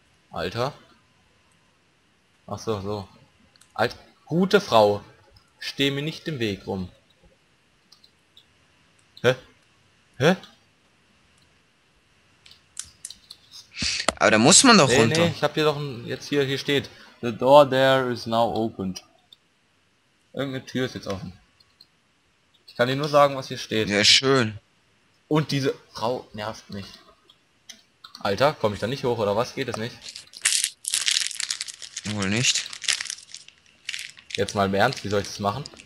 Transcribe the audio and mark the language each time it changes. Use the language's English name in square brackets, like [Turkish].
[German] Alter. Ach so. Alter, gute Frau. Steh mir nicht im Weg rum. Hä? Hä? Aber da muss man doch Nee, nee, runter. ich hab hier doch ein, jetzt hier, hier steht. [English] The door there is now opened. [German] Irgendeine Tür ist jetzt offen. Ich kann dir nur sagen, was hier steht. Ja, schön. Und diese Frau nervt mich. Alter, komme ich da nicht hoch oder was? Geht das nicht? Wohl nicht. Jetzt mal im Ernst, wie soll ich das machen?